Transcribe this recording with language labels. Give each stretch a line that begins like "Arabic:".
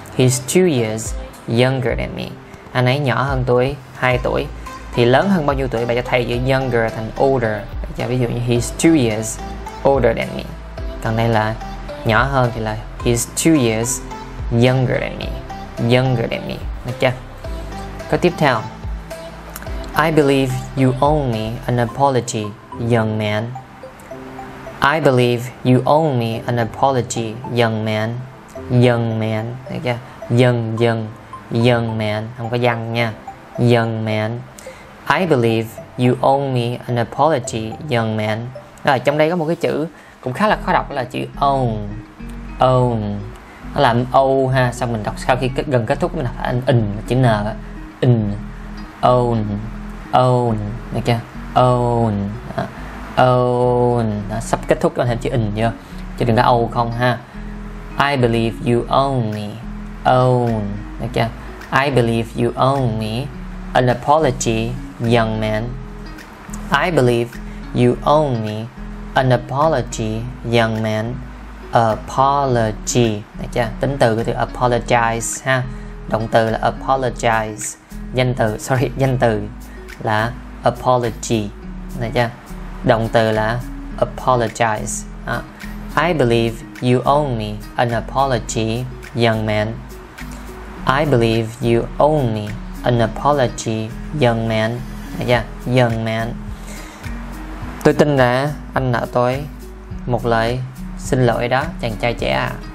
English: He's 2 years younger than me.
Vietnamese: Anh ấy nhỏ hơn tôi 2 tuổi. Thì lớn hơn bao nhiêu tuổi? Bạn cho thay chữ younger thành older. Yeah. Ví dụ như
English: he's 2 years older than me.
Vietnamese: Còn đây là nhỏ hơn thì là
English: he's 2 years younger than me. Younger than me. Okay.
Vietnamese: Câu tiếp theo.
English: I believe you owe me an apology, young man. I believe you owe me an apology, young man. Young man. Okay. Young man.
Vietnamese: Không có young nha.
English: Young man. I believe you owe me an apology, young man.
Vietnamese: Rồi, trong đây có một cái chữ cũng khá là khó đọc là chữ own. Own. Nó là âm O ha, sau mình đọc sau khi gần kết thúc mình đọc là in, chữ N á.
English: In. Own. Own.
Vietnamese: Được chưa?
English: Own. Own.
Vietnamese: Đó, sắp kết thúc cho mình thêm chữ in chưa? Chứ đừng có O không ha.
English: I believe you owe me.
Vietnamese: Own. Được chưa?
English: I believe you owe me an apology, young man. I believe you owe me an apology, young man.
Vietnamese: Apology, được chưa? Tính từ cái từ apologize ha, động từ là apologize, danh từ là apology, được chưa? Động từ là apologize.
English: I believe you owe me an apology, young man. I believe you owe me an apology, young man.
Vietnamese: Được chưa?
English: Young man.
Vietnamese: Tôi tin là anh nợ tôi một lời xin lỗi đó, chàng trai trẻ à.